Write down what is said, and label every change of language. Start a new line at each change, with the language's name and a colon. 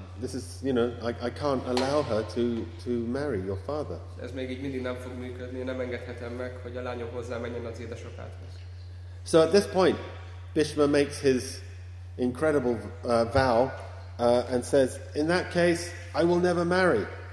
English: This is, you know, I can't allow her to marry your father.
Hungarian: Ez még így mindig nem fog működni. Nem engedhetem meg, hogy a lányom hozzá menjen az édesapádhoz.
English: So at this point, Bhishma makes his incredible vow and says, in that case, I will never marry.